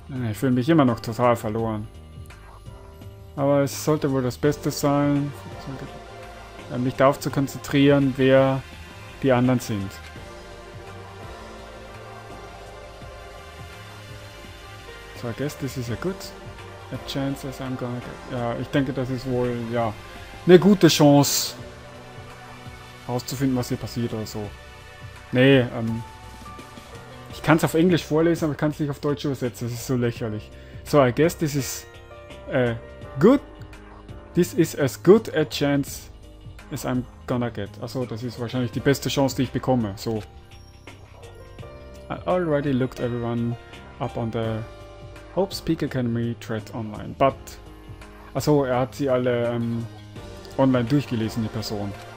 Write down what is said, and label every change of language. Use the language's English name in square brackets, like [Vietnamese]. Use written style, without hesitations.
[German] Ich fühle mich immer noch total verloren. Aber es sollte wohl das Beste sein, mich darauf zu konzentrieren, wer die anderen sind. [English] So, I guess this is a good a chance as I'm gonna get. [German] Ja, ich denke, das ist wohl, ja, eine gute Chance, herauszufinden, was hier passiert oder so. Nee, ich kann es auf Englisch vorlesen, aber ich kann es nicht auf Deutsch übersetzen. Das ist so lächerlich. [English] So, I guess this is a good. This is as good a chance as I'm gonna get. [German] Achso, das ist wahrscheinlich die beste Chance, die ich bekomme. [English] So. I already looked everyone up on the Hope Speak Academy thread online. But. [German] Achso, er hat sie alle online durchgelesen, die Person.